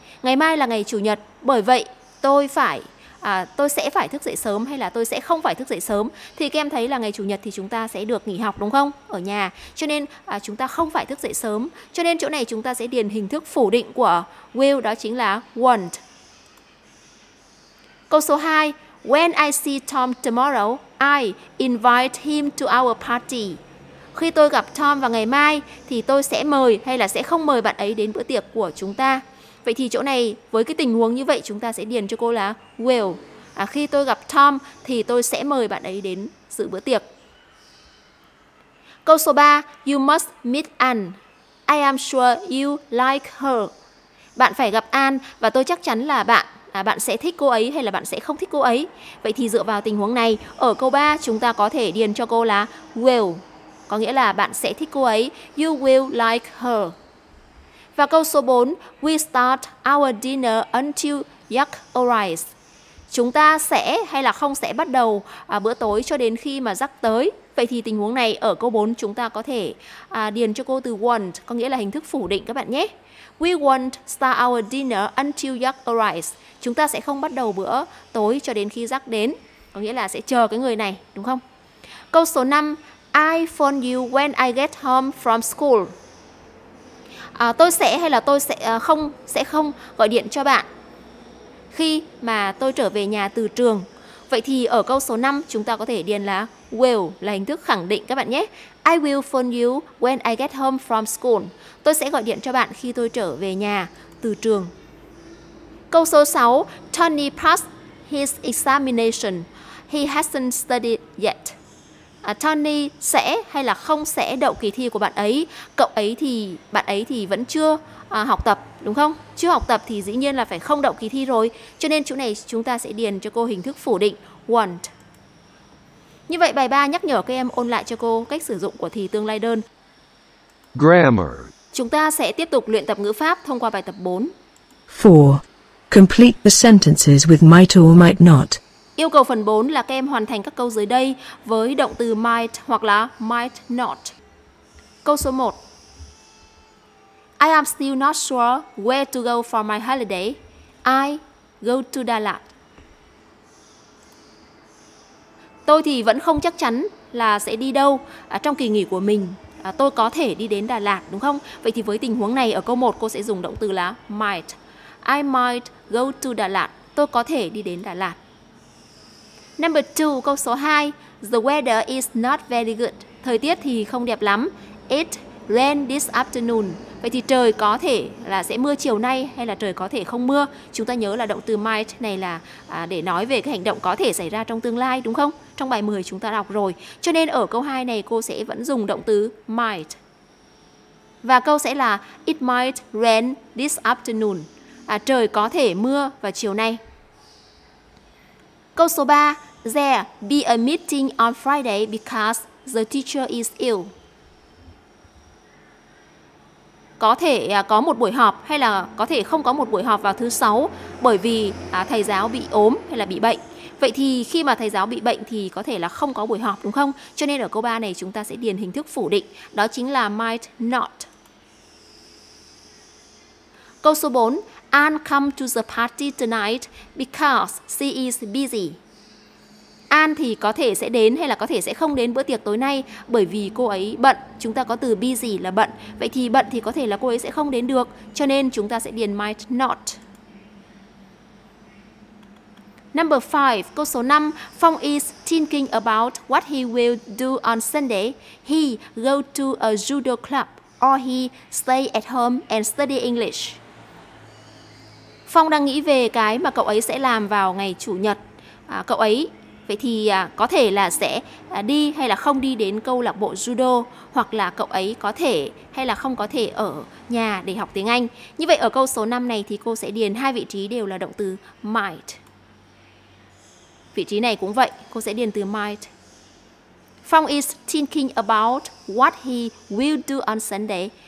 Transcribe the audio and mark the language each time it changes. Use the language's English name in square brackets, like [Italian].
[Vietnamese] Ngày mai là ngày chủ nhật, bởi vậy tôi sẽ phải thức dậy sớm hay là tôi sẽ không phải thức dậy sớm. Thì các em thấy là ngày chủ nhật thì chúng ta sẽ được nghỉ học đúng không? Ở nhà. Cho nên chúng ta không phải thức dậy sớm. Cho nên chỗ này chúng ta sẽ điền hình thức phủ định của will, đó chính là won't. Câu số 2. [English] When I see Tom tomorrow, I invite him to our party. [Vietnamese] Khi tôi gặp Tom vào ngày mai thì tôi sẽ mời hay là sẽ không mời bạn ấy đến bữa tiệc của chúng ta. Vậy thì chỗ này với cái tình huống như vậy chúng ta sẽ điền cho cô là will. Khi tôi gặp Tom thì tôi sẽ mời bạn ấy đến dự bữa tiệc. Câu số 3. [English] You must meet Anne. I am sure you like her. [Vietnamese] Bạn phải gặp Anne và tôi chắc chắn là bạn sẽ thích cô ấy hay là bạn sẽ không thích cô ấy. Vậy thì dựa vào tình huống này, ở câu 3 chúng ta có thể điền cho cô là will. Có nghĩa là bạn sẽ thích cô ấy. [English] You will like her. [Vietnamese] Và câu số 4, [English] we start our dinner until Jack arrives. [Vietnamese] Chúng ta sẽ hay là không sẽ bắt đầu bữa tối cho đến khi mà Jack tới. Vậy thì tình huống này ở câu 4 chúng ta có thể điền cho cô từ won't, có nghĩa là hình thức phủ định các bạn nhé. [English] We won't start our dinner until Jack arrives. [Vietnamese] Chúng ta sẽ không bắt đầu bữa tối cho đến khi Jack đến, có nghĩa là sẽ chờ cái người này, đúng không? Câu số 5, [English] I phone you when I get home from school. [Vietnamese] Tôi sẽ không gọi điện cho bạn khi mà tôi trở về nhà từ trường. Vậy thì ở câu số 5 chúng ta có thể điền là will, là hình thức khẳng định các bạn nhé. [English] I will phone you when I get home from school. [Vietnamese] Tôi sẽ gọi điện cho bạn khi tôi trở về nhà từ trường. Câu số 6. [English] Tony passed his examination. He hasn't studied yet. [Vietnamese] Tony sẽ hay là không sẽ đậu kỳ thi của bạn ấy. Bạn ấy thì vẫn chưa học tập, đúng không? Chưa học tập thì dĩ nhiên là phải không đậu kỳ thi rồi. Cho nên chỗ này chúng ta sẽ điền cho cô hình thức phủ định won't. Như vậy bài 3 nhắc nhở các em ôn lại cho cô cách sử dụng của thì tương lai đơn. [English] Grammar. [Vietnamese] Chúng ta sẽ tiếp tục luyện tập ngữ pháp thông qua bài tập 4. [English] 4. Complete the sentences with might or might not. [Vietnamese] Yêu cầu phần 4 là các em hoàn thành các câu dưới đây với động từ might hoặc là might not. Câu số 1. [English] I am still not sure where to go for my holiday. I go to Dalat. [Vietnamese] Tôi thì vẫn không chắc chắn là sẽ đi đâu trong kỳ nghỉ của mình. Tôi có thể đi đến Đà Lạt, đúng không? Vậy thì với tình huống này, ở câu 1 cô sẽ dùng động từ là might. [English] I might go to Đà Lạt. [Vietnamese] Tôi có thể đi đến Đà Lạt. [English] Number 2, [Vietnamese] câu số 2. [English] The weather is not very good. [Vietnamese] Thời tiết thì không đẹp lắm. [English] It rained this afternoon. [Vietnamese] Vậy thì trời có thể là sẽ mưa chiều nay hay là trời có thể không mưa. Chúng ta nhớ là động từ might này là để nói về cái hành động có thể xảy ra trong tương lai, đúng không? Trong bài 10 chúng ta đọc rồi. Cho nên ở câu 2 này cô sẽ vẫn dùng động từ might. Và câu sẽ là [English] it might rain this afternoon. [Vietnamese] Trời có thể mưa vào chiều nay. Câu số 3. [English] There be a meeting on Friday because the teacher is ill. [Vietnamese] Có thể có một buổi họp hay là có thể không có một buổi họp vào thứ sáu bởi vì thầy giáo bị ốm hay là bị bệnh. Vậy thì khi mà thầy giáo bị bệnh thì có thể là không có buổi họp, đúng không? Cho nên ở câu 3 này chúng ta sẽ điền hình thức phủ định. Đó chính là might not. Câu số 4. [English] Anne come to the party tonight because she is busy. [Vietnamese] Anne thì có thể sẽ đến hay là có thể sẽ không đến bữa tiệc tối nay bởi vì cô ấy bận. Chúng ta có từ busy là bận. Vậy thì bận thì có thể là cô ấy sẽ không đến được. Cho nên chúng ta sẽ điền might not. [English] Number 5, [Vietnamese] câu số 5. [English] Phong is thinking about what he will do on Sunday. He go to a judo club or he stay at home and study English. [Vietnamese] Phong đang nghĩ về cái mà cậu ấy sẽ làm vào ngày chủ nhật. Cậu ấy vậy thì có thể là sẽ đi hay là không đi đến câu lạc bộ judo, hoặc là cậu ấy có thể hay là không có thể ở nhà để học tiếng Anh. Như vậy ở câu số 5 này thì cô sẽ điền hai vị trí đều là động từ might. Vị trí này cũng vậy, cô sẽ điền từ might. [English] Phong is thinking about what he will do on Sunday.